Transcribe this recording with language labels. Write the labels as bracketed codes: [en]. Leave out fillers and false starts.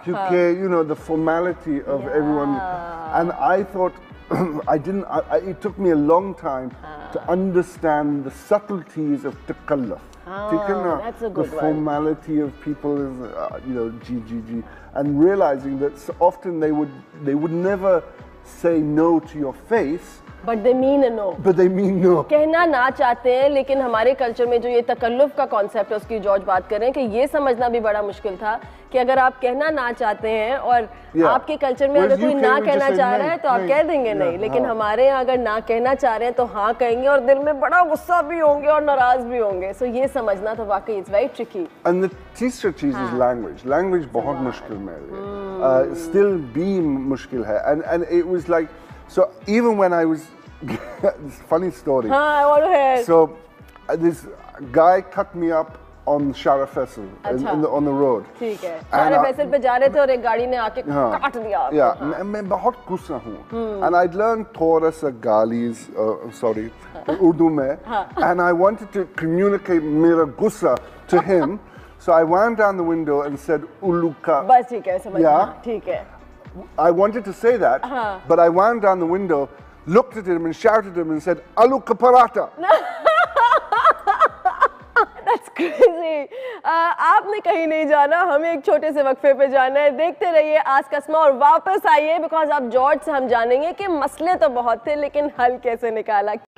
[en] Because you know the formality of everyone, and I thought it took me a long time to understand the subtleties of takalluf. The formality of people is, you know, GGG, and realizing that so often they would never say no to your face. But they mean no. [hi] कहना ना चाहते हैं, लेकिन हमारे culture में जो ये तकल्लुफ का कॉन्सेप्ट है उसकी जॉर्ज बात करें कि ये समझना भी बड़ा मुश्किल था कि अगर आप कहना ना चाहते हैं और आपके कल्चर में अगर कोई ना कहना चाह रहा है तो आप कह देंगे नहीं, लेकिन हमारे यहाँ अगर ना कहना चाह रहे हैं तो हाँ कहेंगे और दिल में बड़ा गुस्सा भी होंगे और नाराज भी होंगे. सो ये समझना तो वाकई [en] It's very tricky. And the [hi] तीसरी चीज इज लैंग्वेज. लैंग्वेज बहुत मुश्किल में है, स्टिल भी मुश्किल है. [en] And it was like, so even when I was, this funny story. Ha, I want to hear. So this guy cut me up on Shara Faisal on the road. [hi] ठीक है. Shara Faisal पे जा रहे थे और एक गाड़ी ने आके काट दिया. Yeah, मैं बहुत गुस्सा हूँ. [en] And I'd learned [hi] thoda sa galis, [en] sorry, [hi] Urdu mein. [en] And I wanted to communicate [hi] mera gussa [en] to him. So I wound down the window and said uluka. [hi] बस ठीक है, समझ गया. ठीक है. [en] I wanted to say that, but I wound down the window, looked at him and shouted at him and said, "Alu kaparata." That's crazy. [hi] आपने कहीं नहीं जाना, हमें एक छोटे से वक्फे पे जाना है. देखते रहिए आज का स्मॉल, वापस आइए बिकॉज आप जॉर्ज से हम जानेंगे कि मसले तो बहुत थे लेकिन हल कैसे निकाला.